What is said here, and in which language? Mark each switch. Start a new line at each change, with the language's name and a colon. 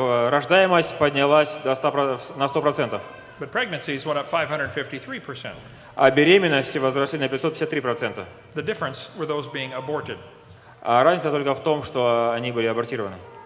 Russian: Рождаемость поднялась на 100%.
English: But pregnancies went up 553%.
Russian: А беременности возросли на 553%.
English: The difference were those being aborted.
Russian: А разница только в том, что они были абортированы.